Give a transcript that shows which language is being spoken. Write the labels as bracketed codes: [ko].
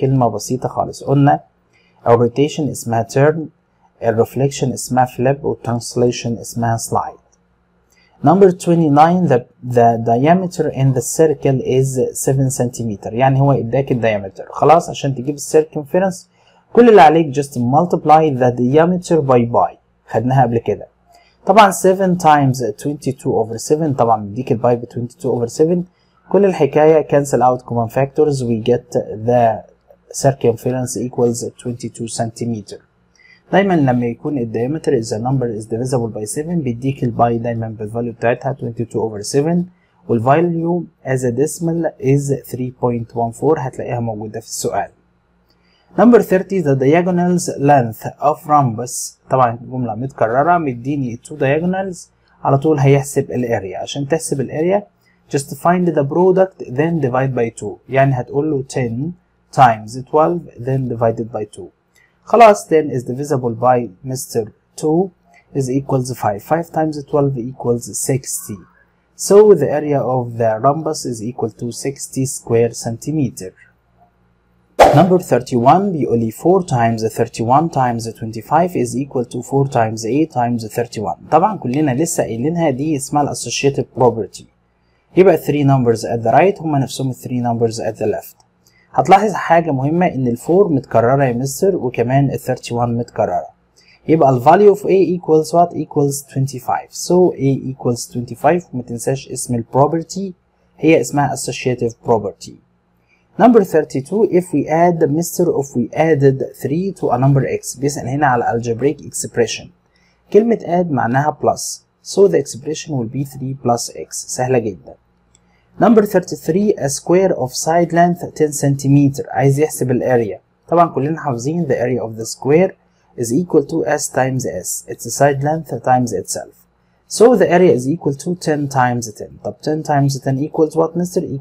[ar] كلمة بسيطة خالص قلنا rotation اسمها turn, reflection اسمها flip, و translation اسمها slide. [en] Number 29 the diameter in the circle is 7 cm. [ar] يعني هو اداك الديامتر خلاص عشان تجيب circumference كل اللي عليك [en] just multiply the diameter by pi. [ar] خدناها قبل كده. [en] طبعا 7 times 22 over 7 طبعا [ar] بديك الباي ب [en] 22 over 7 [ar] كل الحكاية [en] cancel out common factors we get the circumference equals 22 centimeter. [ar] دايما لما يكون الديامتر [en] is a number is divisible by 7 [ar] بديك الباي دايما بالفاليو بتاعتها 22 over 7 والفاليو [en] as a decimal is 3.14 [ar] هتلاقيها موجودة في السؤال. [en] Number 30 the diagonals length of rhombus. [ar] طبعا جملة متكررة مديني 2 diagonals على طول هيحسب الاريا. عشان تحسب الاريا [en] just find the product then divide by 2 [ar] يعني هتقول له [en] 10 times 12 then divided by 2 خلاص 10 is divisible by Mr. 2 is equals 5 5 times 12 equals 60 so the area of the rhombus is equal to 60 square centimeter. Number 31 [ar] بيقول لي [en] 4 times 31 times 25 is equal to 4 times 8 times 31. [ar] طبعا كلنا لسه قايلينها دي اسمها الاسوشيتيف بروبرتي. [en] يبقى 3 numbers at the right هما نفسهم 3 numbers at the left. [ar] هتلاحظ حاجة مهمة ان ال 4 متكررة يا مستر وكمان ال 31 متكررة. [en] يبقى ال value of A equals what? Equals 25. So A equals 25 [ar] ومتنساش اسم البروبرتي هي اسمها اسوشيتيف بروبرتي. [en] Number 32 if we add Mr. if we added 3 to a number x [ar] بيسأل هنا على [en] algebraic expression كلمة add معناها plus so the expression will be 3 plus x [ar] سهلة جدا. [en] Number 33 a square of side length 10 cm [ar] عايز يحسب الاريا طبعا كلنا حافظين [en] the area of the square is equal to s times s it's a side length times itself so the area is equal to 10 times 10 طب 10 times 10 equals what Mr.